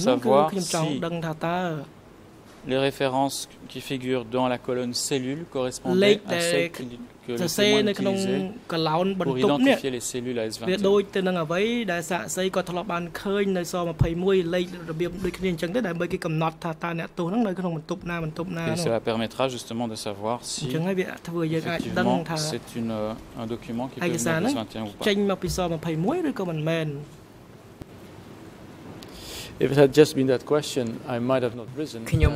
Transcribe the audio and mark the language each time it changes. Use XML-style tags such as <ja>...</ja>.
<en>Can I just ask because perhaps it's the question actually came, but the question was whether this list is the same as it was in S21.</en> <fr>Les références qui figurent dans la colonne cellule correspondaient à celles que le témoin utilisait pour identifier les cellules AS21. Et cela permettra justement de savoir si effectivement c'est un document qui peut venir AS21 ou pas.</fr> <en>If it had just been that question, I might have not risen.</en>